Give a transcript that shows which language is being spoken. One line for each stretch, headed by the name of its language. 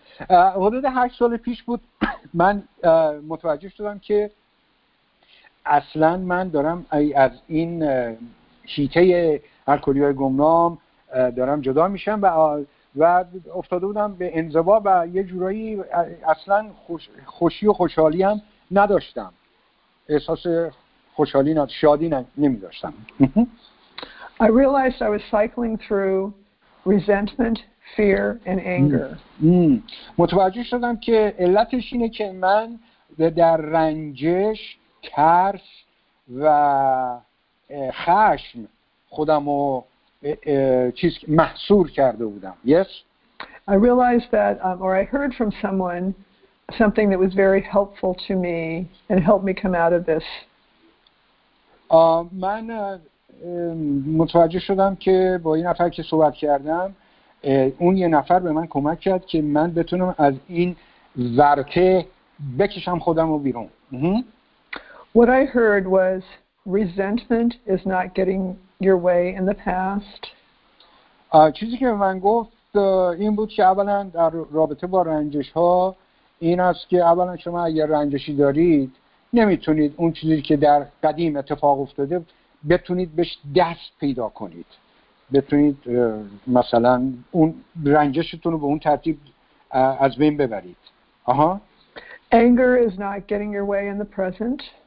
Persian: حدود 8 سال پیش بود من متوجه شدم که اصلا من دارم از این شیته الکلی‌های گمنام دارم جدا میشم و افتاده بودم به انزوا و یه جورایی اصلا خوشی و خوشحالی هم نداشتم. احساس خوشحالی نه شادی نمی داشتم.
English: I realized I was cycling through resentment, fear and anger.
Persian: متوجه شدم که علتش اینه که من در رنجش، ترس و خشم خودمو چیز محصور کرده بودم.
English: Yes. I realized that or I heard from someone something that was very helpful to me and helped me come out of this.
Persian: من متوجه شدم که با این نفر که صحبت کردم اون یه نفر به من کمک کرد که من بتونم از این ورطه بکشم خودم رو بیرون.
English: What I heard was resentment is not getting your way in the past.
Persian: چیزی که من گفت این بود که اولا در رابطه با رنجش ها این است که اولا شما اگر رنجشی دارید نمیتونید اون چیزی که در قدیم اتفاق افتاده بتونید بهش دست پیدا کنید، بتونید مثلا اون رنجشتون رو به اون ترتیب از بین ببرید. آها.
English: Anger is not getting your way in the present.